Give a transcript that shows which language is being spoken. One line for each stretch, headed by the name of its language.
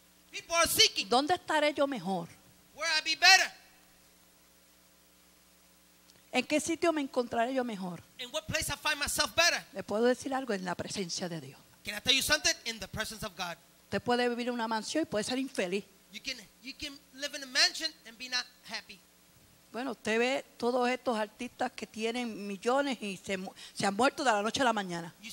English: People are seeking.
Spanish: ¿Dónde estaré yo mejor?
English: Where I be better?
Spanish: ¿En qué sitio me encontraré yo mejor?
English: In what place I find myself better?
Spanish: ¿Le puedo decir algo? En la presencia de Dios.
English: Can I tell you something? In the presence of God.
Spanish: Usted puede vivir en una mansión y puede ser infeliz.
English: You can live in a mansion and be not happy.
Spanish: Bueno, usted ve todos estos artistas que tienen millones y se han muerto de la noche a la mañana.